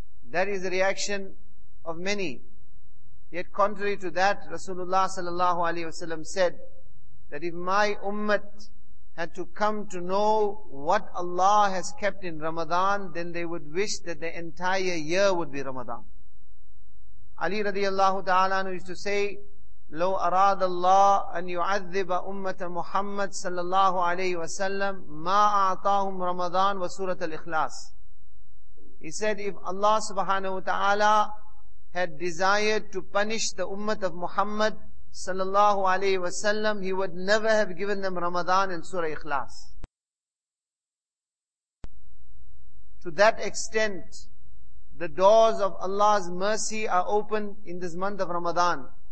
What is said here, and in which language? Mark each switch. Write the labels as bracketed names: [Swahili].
[English] That is the reaction of many. Yet contrary to that, Rasulullah sallallahu alayhi wasallam said that if my ummah had to come to know what Allah has kept in Ramadan, then they would wish that the entire year would be Ramadan. Ali radiallahu ta'ala used to say, [Arabic] لو أراد الله أن يعذب أمة محمد صلى الله عليه وسلم ما أعطاهم رمضان وسورة الإخلاص. [English] He said, if Allah subhanahu wa ta'ala had desired to punish the Ummah of Muhammad sallallahu alayhi wa sallam, He would never have given them Ramadan and Surah Ikhlas. To that extent, the doors of Allah's mercy are open in this month of Ramadan.